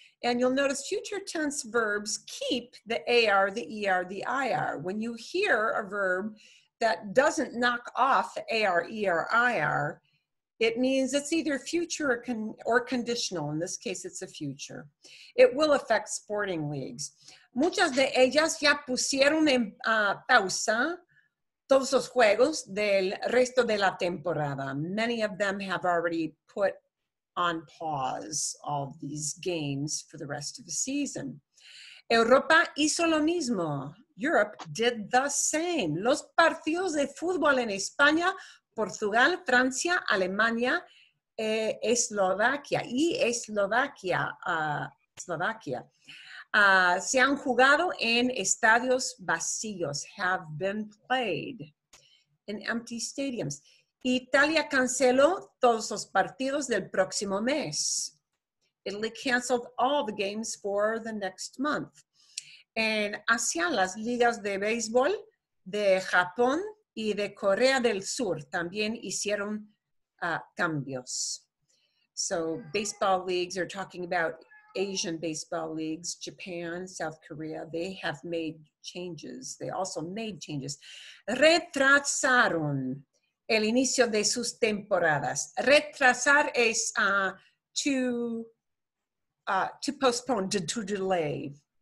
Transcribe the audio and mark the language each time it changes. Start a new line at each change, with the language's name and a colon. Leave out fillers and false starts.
English: And you'll notice future tense verbs keep the AR, the ER, the IR. When you hear a verb that doesn't knock off AR, ER, IR, it means it's either future or conditional. In this case, it's a future. It will affect sporting leagues.
Spanish: Muchas de ellas ya pusieron en pausa todos los juegos del resto de la temporada.
English: Many of them have already put on pause all these games for the rest of the season.
Spanish: Europa hizo lo mismo.
English: Europe did the same.
Spanish: Los partidos de fútbol en España, Portugal, Francia, Alemania, Eslovaquia y Eslovaquia, Eslovaquia. Se han jugado en estadios vacíos,
English: have been played in empty stadiums.
Spanish: Italia canceló todos los partidos del próximo mes.
English: Italy canceled all the games for the next month.
Spanish: En Asia, las ligas de béisbol de Japón y de Corea del Sur también hicieron cambios.
English: So, baseball leagues are talking about Asian baseball leagues, Japan, South Korea, they have made changes. They also made changes.
Spanish: Retrasaron el inicio de sus temporadas.
English: Retrasar es to postpone, to delay.